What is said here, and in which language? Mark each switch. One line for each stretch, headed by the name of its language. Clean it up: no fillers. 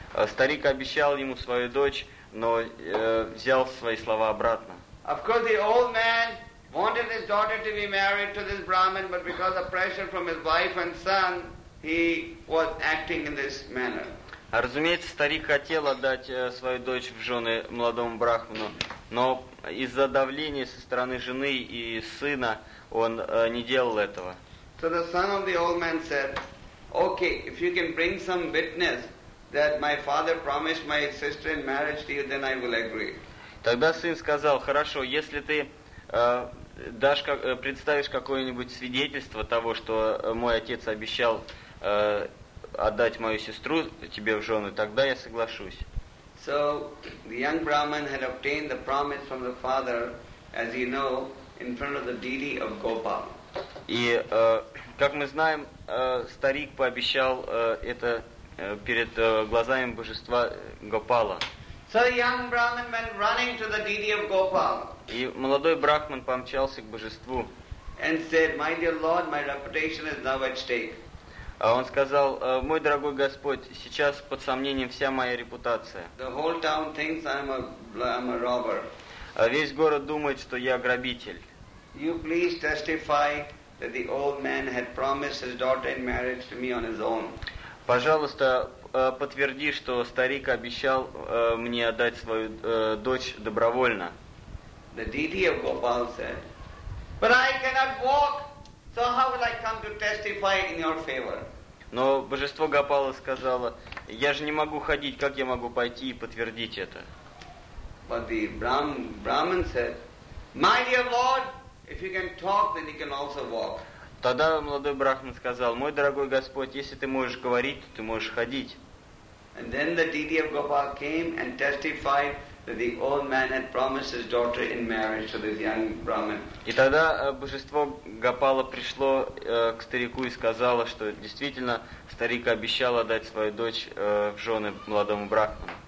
Russian: Старик обещал ему свою дочь, но взял свои слова обратно.
English: Of course, the old man wanted his daughter to be married to this Brahmin, but because of pressure from his wife and son, he was acting in this manner.
Russian: Разумеется, старик хотел отдать свою дочь в жены молодому брахману, но из-за давления со стороны жены и сына он не делал этого.
English: So the son of the old man said, "Okay, if you can bring some witness that my father promised my sister in marriage to you, then I will agree."
Russian: Тогда сын сказал: "Хорошо, если ты представишь какое-нибудь свидетельство того, что мой отец обещал отдать мою сестру тебе в жены, тогда я соглашусь."
English: So the young Brahman had obtained the promise from the father, as you know, in front of the deity of Gopal.
Russian: И как мы знаем, старик пообещал это перед глазами божества Гопала.
English: So the young Brahman went running to the deity of Gopal.
Russian: И молодой брахман помчался к божеству.
English: And said, "My dear Lord, my reputation is now at stake."
Russian: А он сказал: "Мой дорогой Господь, сейчас под сомнением вся моя репутация."
English: The whole town thinks I'm a robber.
Russian: Весь город думает, что я грабитель.
English: You please testify that the old man had promised his daughter in marriage to me on his own.
Russian: Пожалуйста, подтверди, что старик обещал мне отдать свою дочь добровольно.
English: The deity of Gopal said, "But I cannot walk, so how will I come to testify in your favor?"
Russian: Но божество Гопала сказало: "Я же не могу ходить, как я могу пойти и подтвердить это?"
English: But the Brahmin said, "My dear Lord, if you can talk, then you can also walk."
Russian: Тогда молодой брахман сказал: "Мой дорогой Господь, если ты можешь говорить, ты можешь ходить."
English: And then the deity of Gopal came and testified that the old man had promised his daughter in marriage to this young Brahmin.
Russian: И тогда божество Гопала пришло к старику и сказало, что действительно старик обещал отдать свою дочь в жены молодому брахману.